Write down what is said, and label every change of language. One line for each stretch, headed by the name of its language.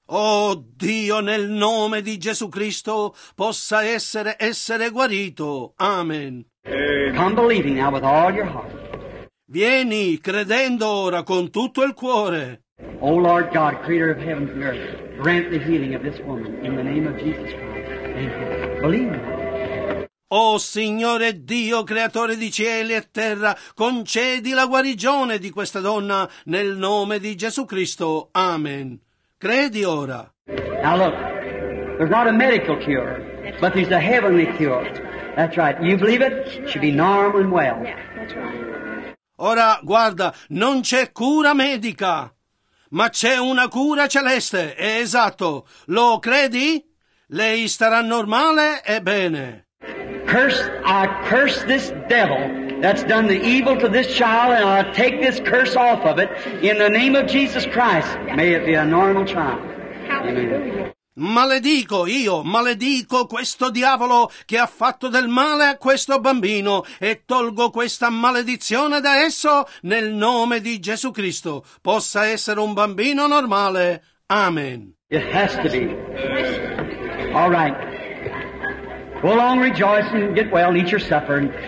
Italian: Oh Dio, nel nome di Gesù Cristo, possa essere guarito. Amen.
English: Come believing now with all your heart.
Italian: Vieni credendo ora con tutto il cuore.
English: Oh Lord God, creator of heaven and earth, grant the healing of this woman in the name of Jesus Christ. Amen. Believe now.
Italian: Oh Signore Dio, creatore di cieli e terra, concedi la guarigione di questa donna nel nome di Gesù Cristo. Amen. Credi ora.
English: Now look, there's not a medical cure, but there's a heavenly cure. That's right. You believe it? She'll be normal and well. Yeah, that's right.
Italian: Ora, guarda, non c'è cura medica, ma c'è una cura celeste. È esatto. Lo credi? Lei starà normale e bene.
English: I curse this devil that's done the evil to this child, and I take this curse off of it in the name of Jesus Christ. May it be a normal child. Amen.
Italian: Maledico io, maledico questo diavolo che ha fatto del male a questo bambino e tolgo questa maledizione da esso nel nome di Gesù Cristo. Possa essere un bambino normale. Amen.
English: It has to be. All right. Go along rejoicing, get well, and eat your supper.